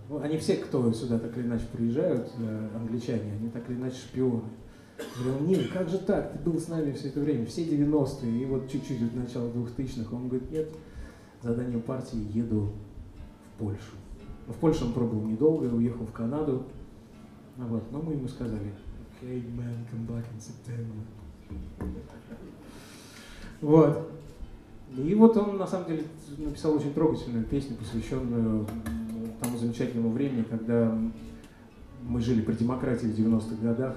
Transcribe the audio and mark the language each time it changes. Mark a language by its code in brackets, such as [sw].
[ru] Ну, они все, кто сюда так или иначе приезжают, англичане, они так или иначе шпионы. Говорил, Нил, как же так? Ты был с нами все это время, все 90-е, и вот чуть-чуть от начала 2000-х. Он говорит, нет, задание партии, еду в Польшу. В Польшу он пробыл недолго, уехал в Канаду. Вот. Но мы ему сказали, [en] okay, man, come back in September. [ru] Вот. И вот он, на самом деле, написал очень трогательную песню, посвященную тому замечательному времени, когда мы жили при демократии в 90-х годах.